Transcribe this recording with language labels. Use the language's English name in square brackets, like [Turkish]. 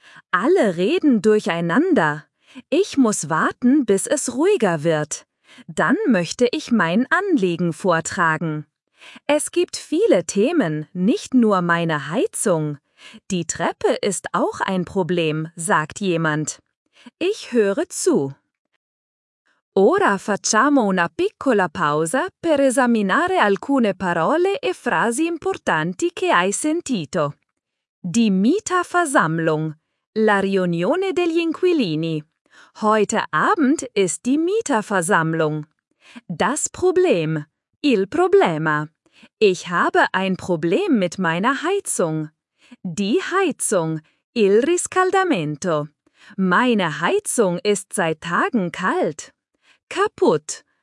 [German] Alle reden durcheinander. Ich muss warten, bis es ruhiger wird. Dann möchte ich mein Anliegen vortragen. Es gibt viele Themen, nicht nur meine Heizung. Die Treppe ist auch ein Problem, sagt jemand. Ich höre zu. [Italian] Ora facciamo una piccola pausa per esaminare alcune parole e frasi importanti che hai sentito. [German] Die Mieterversammlung. [Italian] La riunione degli inquilini. [German] Heute Abend ist die Mieterversammlung. Das Problem. [Italian] Il problema. [German] Ich habe ein Problem mit meiner Heizung. Die Heizung. [Italian] Il riscaldamento. [German] Meine Heizung ist seit Tagen kalt. Kaputt.